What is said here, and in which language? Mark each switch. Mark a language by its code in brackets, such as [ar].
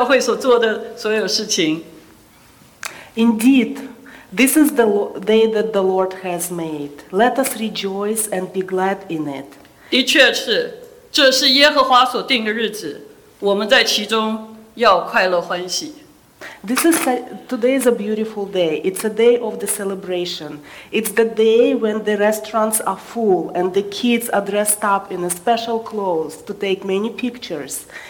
[zh] 也在这个时候感谢我过去为这一个教会所做的所有事情。 [en] Indeed, this is the day that the Lord has made. Let us rejoice and be glad in it. [zh] 的确是，这是耶和华所定的日子，我们在其中。 [en] This is today is a beautiful day. It's a day of the celebration. It's the day when the restaurants are full and the kids are dressed up in a special clothes to take many pictures.